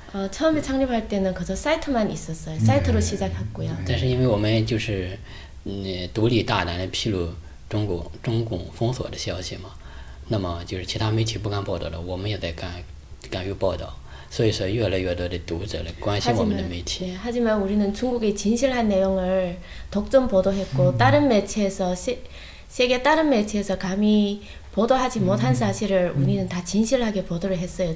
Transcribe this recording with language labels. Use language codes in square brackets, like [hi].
[ko] 처음에 창립할 때는 그저 사이트만 있었어요. 사이트로 시작했고요. [zh] 但是因为我们就是独立大胆的披露中共封锁的消息嘛，那么就是其他媒体不敢报道的，我们也在敢于报道。所以说，越来越多的读者来关心我们的媒体。 [ko] 하지만 우리는 중국의 진실한 내용을 독점 보도했고 다른 매체에서 세계 다른 매체에서 감히 보도하지 못한 사실을 우리는 다 진실하게 보도를 했어요.